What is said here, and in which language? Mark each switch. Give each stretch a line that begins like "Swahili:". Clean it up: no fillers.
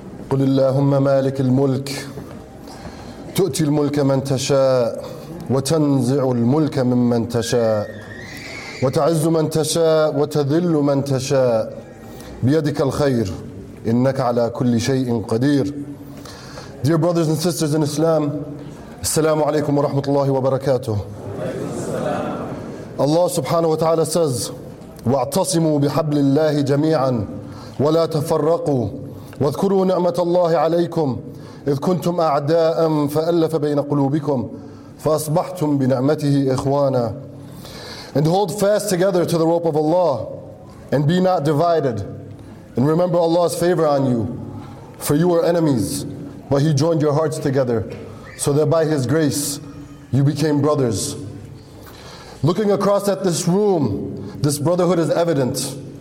Arabic: قل اللهم مالك الملك تؤتي الملك من تشاء وتنزع الملك ممن تشاء وتعز من تشاء وتذل من تشاء بيدك الخير إنك على كل شيء قدير.
English: Dear brothers and sisters in Islam,
Arabic: السلام عليكم ورحمة الله وبركاته.
English: Allah subhanahu wa ta'ala says,
Arabic: واعتصموا بحبل الله جميعا ولا تفرقوا واذكروا نعمة الله عليكم إذ كنتم أعداء فألف بين قلوبكم فأصبحتم بنعمته إخوانا.
English: And hold fast together to the rope of Allah and be not divided, and remember Allah's favor on you, for you were enemies but He joined your hearts together so that by His grace you became brothers. Looking across at this room, this brotherhood is evident.